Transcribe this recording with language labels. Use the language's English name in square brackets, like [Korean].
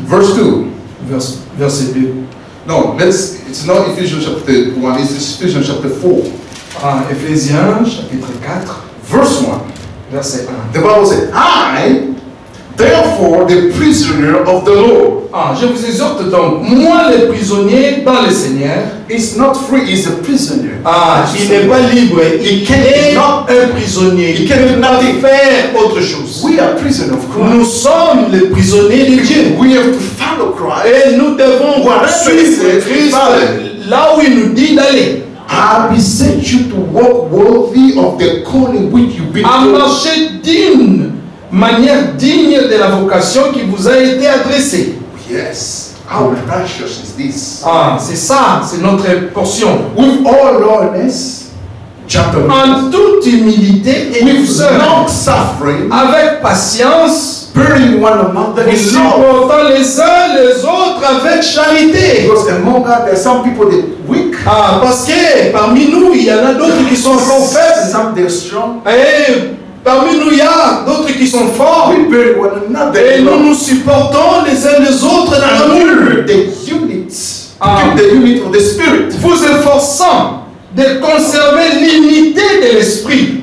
[English] verse 2. [French] Verset 2. [English] No, it's not Ephesians chapter 1, it's Ephesians chapter 4. Ah, Ephesians chapter 4. Verse 1. [French] Verset 1. [English] The Bible says, I, therefore, the prisoner of the Lord. [French] Ah, je vous exhorte donc, moi le prisonnier dans le Seigneur. [English] Is not free, is a prisoner. [French] Ah, il n'est pas libre, il est not un prisonnier. [English] He cannot nothing [French] faire autre chose. [English] We are prisoners of Christ. [French] Nous sommes les prisonniers de Dieu. [English] We have to follow Christ. [French] Et nous devons suivre Christ là où il nous dit d'aller. [English] I beseech you to walk worthy of the calling which you've been called. [French] À marcher digne, manière digne de la vocation qui vous a été adressée. [English] Yes, how precious is this? [French] Ah, c'est ça, c'est notre portion. [English] With all lowliness, chapter 1. [French] En toute humilité et douceur. [English] With long suffering. [French] Avec patience. [English] Bearing one another in love. [French] Et supportant les uns les autres avec charité. [English] Because among God, there are some people that are weak. [French] Ah, parce que parmi nous, il y en a d'autres qui sont encore faibles. [English] Some they are strong. [French] Parmi nous, il y a d'autres qui sont forts. [English] We bear one another. [French] Et nous nous supportons les uns les autres dans l'amour. [English] The unit. The unit of the spirit. [French] Vous efforçant de conserver l'unité de l'esprit.